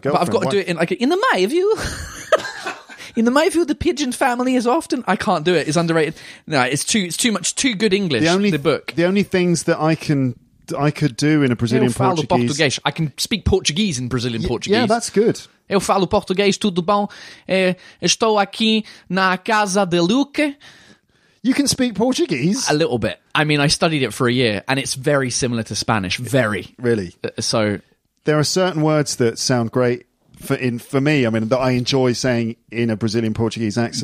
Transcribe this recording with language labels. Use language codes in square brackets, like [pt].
[en] But I've got to do it in the May of you. In the my view, the pigeon family is often... I can't do it. It's underrated. No, it's too much. Too good English, the book. The only things that I could do in a Brazilian Portuguese... I can speak Portuguese in Brazilian Portuguese. Yeah, that's good. [pt] Eu falo português, tudo bom? Estou aqui na casa de Luque. [en] You can speak Portuguese? A little bit. I mean, I studied it for a year, and it's very similar to Spanish. Very. Really? So... There are certain words that sound great for me, I mean, that I enjoy saying in a Brazilian Portuguese accent.